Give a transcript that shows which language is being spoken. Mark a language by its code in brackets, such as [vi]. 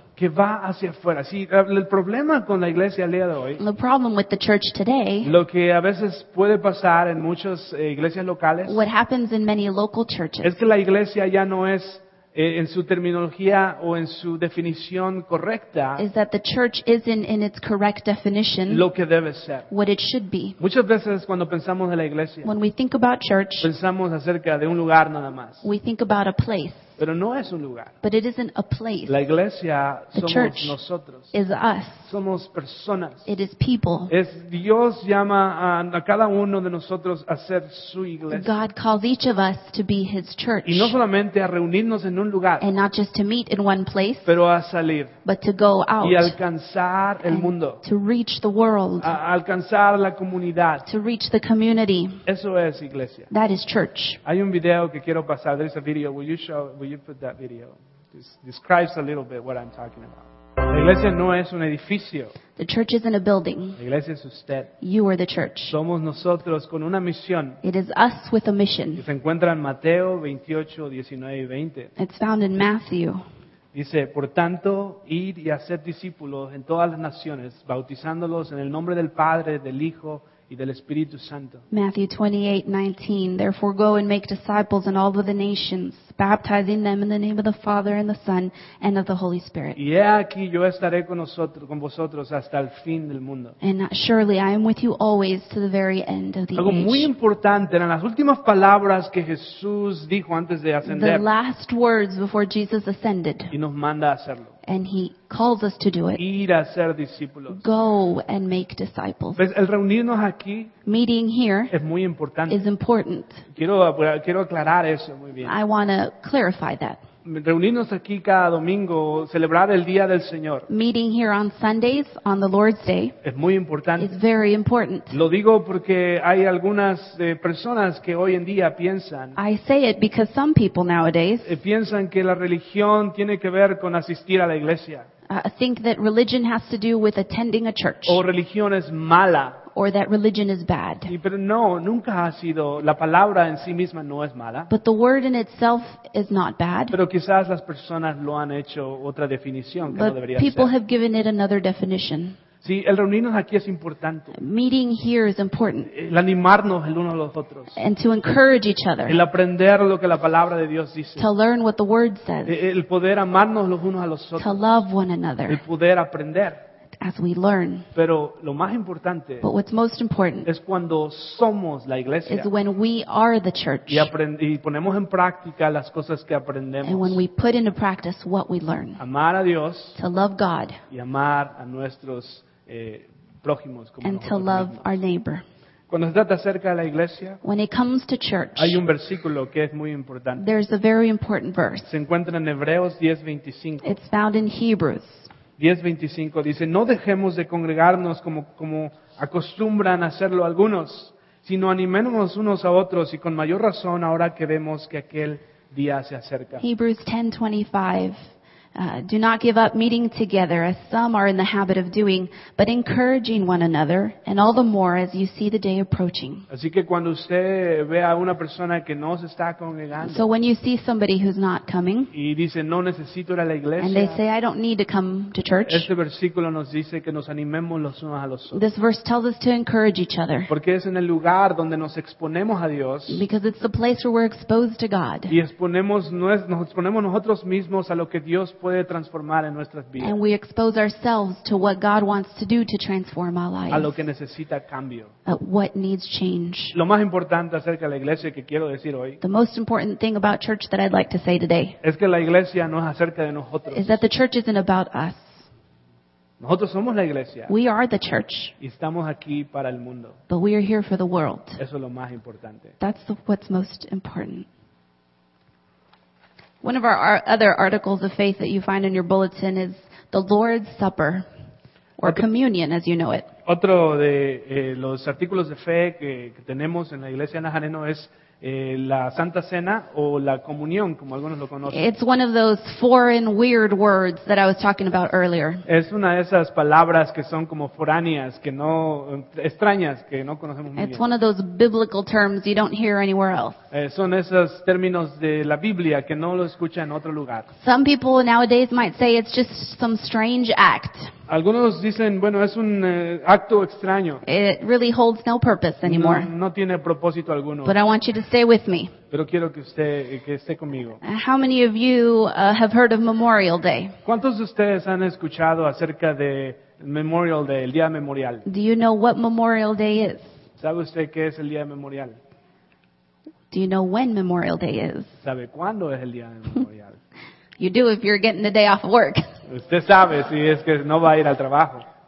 [es] Que va hacia afuera. Sí, el problema con la iglesia el día de hoy. [en] The problem with the church today. [es] Lo que a veces puede pasar en muchas iglesias locales. [en] What happens in many local churches. [es] Es que la iglesia ya no es en su terminología o en su definición correcta. [en] Is that the church isn't in its correct definition. [es] Lo que debe ser. [en] What it should be. [es] Muchas veces cuando pensamos en la iglesia. [en] When we think about church. [es] Pensamos acerca de un lugar nada más. [en] We think about a place. [es] Pero no es un lugar. [en] But it isn't a place. [es] La iglesia [en] the [es] somos [en] church [es] nosotros. [en] Is us. [es] Somos personas. [en] It is people. [es] Es Dios llama a cada uno de nosotros a ser su iglesia. [en] God calls each of us to be his church. [es] Y no solamente a reunirnos en un lugar. [en] And not just to meet in one place. [es] Pero a salir. [en] But to go out. [es] Y alcanzar el mundo. [en] To reach the world. [es] A alcanzar la comunidad. [en] To reach the community. [es] Eso es iglesia. [en] That is church. [es] Hay un video que quiero pasar. [en] There is a video. Will you show? Will you put that video? This describes a little bit what I'm talking about. [es] La iglesia no es un edificio. [en] The church isn't a building. [es] La iglesia es usted. [en] You are the church. [es] Somos nosotros con una misión. [en] It is us with a mission. [es] Y se encuentra en Mateo 28, 19 y 20. [en] It's found in Matthew. [es] Dice, por tanto, id y haced discípulos en todas las naciones, bautizándolos en el nombre del Padre, del Hijo y del Espíritu Santo. [en] Matthew 28:19. Therefore go and make disciples in all of the nations, baptizing them in the name of the Father and the Son and of the Holy Spirit. [es] Y aquí yo estaré con nosotros, con vosotros hasta el fin del mundo. [en] And surely I am with you always to the very end of the [es] Algo [en] age. [es] Muy importante eran las últimas palabras que Jesús dijo antes de ascender. [en] The last words before Jesus ascended. [es] Y nos manda a hacerlo. [en] And he calls us to do it. [es] Ir a ser discípulos. [en] Go and make disciples. [es] Pues el reunirnos aquí [en] Meeting here [es] es muy importante. [en] Is important. [es] Quiero aclarar eso muy bien. [en] I want to clarify that. [es] Reunirnos aquí cada domingo, celebrar el día del Señor. [en] Meeting here on Sundays on the Lord's Day [es] es muy importante. [en] Is very important. [es] Lo digo porque hay algunas personas que hoy en día piensan. [en] I say it because some people nowadays [es] piensan que la religión tiene que ver con asistir a la iglesia. [en] Think that religion has to do with attending a church. [es] O religión es mala. [en] Or that religion is bad. [es] Pero no, nunca ha sido. La palabra en sí misma no es mala. [en] But the word in itself is not bad. [es] Pero quizás las personas lo han hecho otra definición que [en] But [es] no debería ser. [en] People [es] ser. [en] Have given it another definition. [es] Sí, el reunirnos aquí es importante. [en] Meeting here is important. [es] El animarnos el uno a los otros. [en] And to encourage each other. [es] El aprender lo que la palabra de Dios dice. [en] To learn what the word says. [es] El poder amarnos los unos a los otros. [en] To love one another. [es] El poder aprender. [en] As we learn. [es] Pero lo más importante [en] But what's most important [es] es cuando somos la iglesia. [en] Is when we are the church. [es] Y ponemos en práctica las cosas que aprendemos. [en] And when we put into practice what we learn. [es] Amar a Dios. [en] To love God. [es] Y amar a nuestros prójimos. Como [en] and to love [es] mismos. [en] Our neighbor. [es] Cuando se trata acerca de la iglesia, [en] when it comes to church, [es] hay un versículo que es muy importante. [en] There's a very important verse. [es] Se encuentra en Hebreos 10:25. [en] It's found in Hebrews. [es] 10:25 dice, no dejemos de congregarnos como acostumbran a hacerlo algunos, sino animémonos unos a otros y con mayor razón ahora que vemos que aquel día se acerca. [en] Hebrews 10:25, do not give up meeting together as some are in the habit of doing, but encouraging one another and all the more as you see the day approaching. [es] Así que cuando usted ve a una persona que no se está congregando, [en] so when you see somebody who's not coming, [es] y dice no necesito ir a la iglesia, [en] and they say I don't need to come to church, [es] este versículo nos dice que nos animemos los unos a los otros. [en] This verse tells us to encourage each other. [es] Porque es en el lugar donde nos exponemos a Dios, [en] because it's the place where we're exposed to God, [es] y nos exponemos nosotros mismos a lo que Dios puede transformar en nuestras vidas. [en] And we expose ourselves to what God wants to do to transform our lives. [es] A lo que necesita cambio. [en] What needs change. [es] Lo más importante acerca de la iglesia que quiero decir hoy. [en] The most important thing about church that I'd like to say today. [es] Es que la iglesia no es acerca de nosotros. [en] Is that the church isn't about us. [es] Nosotros somos la iglesia. [en] We are the church. [es] Y estamos aquí para el mundo. [en] But we are here for the world. [es] Eso es lo más importante. [en] That's what's most important. One of our other articles of faith that you find in your bulletin is the Lord's Supper, or communion, as you know it. [es] Otro de los artículos de fe que tenemos en la Iglesia Nazareno es la Santa Cena o la Comunión, como algunos lo conocen. [en] It's one of those foreign, weird words that I was talking about earlier. [es] Es una de esas palabras que son como foráneas, que no extrañas, que no conocemos muy bien. [en] It's one of those biblical terms you don't hear anywhere else. [es] Son esos términos de la Biblia que no lo escucha en otro lugar. [en] Some people nowadays might say it's just some strange act. [es] Algunos dicen, bueno, es un acto extraño. [en] It really holds no purpose anymore. [es] No tiene propósito alguno. [en] But I want you to stay with me. [es] Pero quiero que esté conmigo. [en] How many of you have heard of Memorial Day? [es] ¿Cuántos de ustedes han escuchado acerca de Memorial Day, el día memorial? [en] Do you know what Memorial Day is? [es] ¿Sabe usted qué es el día memorial? [en] Do you know when Memorial Day is? [es] ¿Sabe cuándo es el día memorial? [en] You do if you're getting a day off of work. [es] Usted sabe si es que no va a ir al trabajo.